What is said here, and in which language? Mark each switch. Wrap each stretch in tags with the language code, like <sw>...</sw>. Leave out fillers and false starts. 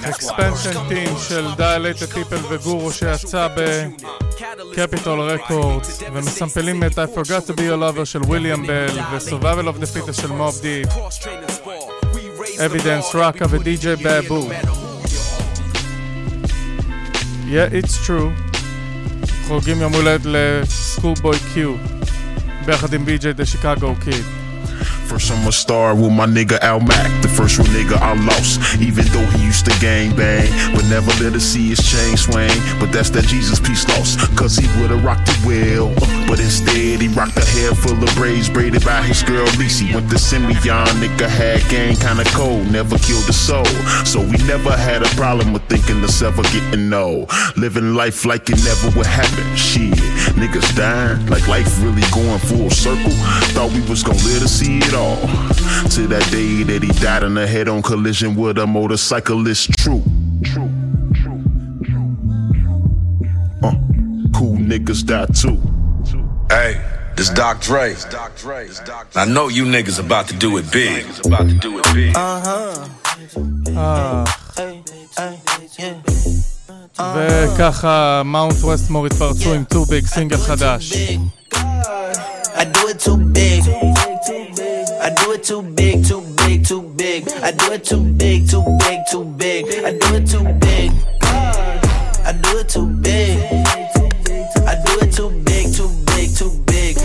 <he>Expansion team של Dilated People וגורו שיצא ב Capitol Records, ומסמפלים את I Forgot to Be Your Lover של William Bell ו-Survival of the Fittest של Mobb Deep, Evidence, Rocka ו-DJ Babu.</he> <en>Yeah, it's true.</en> <he>חוגים יום הולד לסקולבוי קיו ביחד עם BJ The Chicago Kid.</he> <en>First I'm a star with my nigga Al Mack. The first real nigga I lost, even though he used to gang bang, but never let us see his chain swing. But that's that Jesus peace lost, cause he would've rocked the wheel, but instead he rocked a hair full of braids braided by his girl Lisi. Went to Simeon, nigga had gang kinda cold, never killed a soul, so we never had a problem with thinking us ever getting old. Living life like it never would happen. Shit, niggas dying like life really going full circle. Thought we was gonna live to see it all, to that day that he died in a head-on collision with a motorcyclist. True, true, true, true, true. Cool niggas die too. Hey, this Doc Dre. This Doc Dre. This Doc Dre. I know you niggas about to do it big. About to do it big.</en> <he>וככה מאונט ווסט מור התפרצו עם טו ביג, סינגל חדש.</he> <en>I do it too big, too big, too big. I do it too big, too big, too big. I do it too big. I do it too big. I do it too big, too big, too big.</en>